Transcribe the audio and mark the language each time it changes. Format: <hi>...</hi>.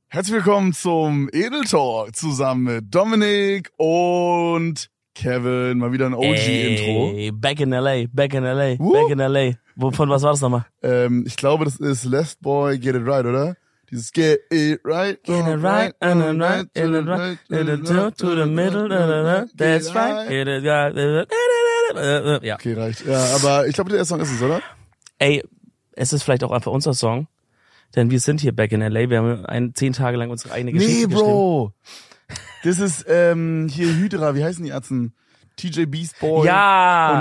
<de>Herzlich willkommen zum Edeltalk zusammen mit Dominik und Kevin. Mal wieder ein OG-Intro.</de> <en>Ey, back in LA, back in LA, Woo? Back in LA.</en> <de>Wovon, was war das nochmal? Ich glaube, das ist Last Boy, Get It Right, oder? Dieses Get It Right.</de> <en>Get it right, and then right, and then right, and then right, and then right, to the middle, and then right, that's right, get it right.</en> <de>Ja. Okay, reicht. Ja, aber ich glaube, der Song ist es, oder? Ey, es ist vielleicht auch einfach unser Song, denn wir sind hier</de> <en>back in LA.</en> <de>Wir haben 10 Tage lang unsere eigene Geschichte Nee, Bro! Das ist hier Hydra, wie heißen die Ärzte? TJ Beast Boy. Ja!</de>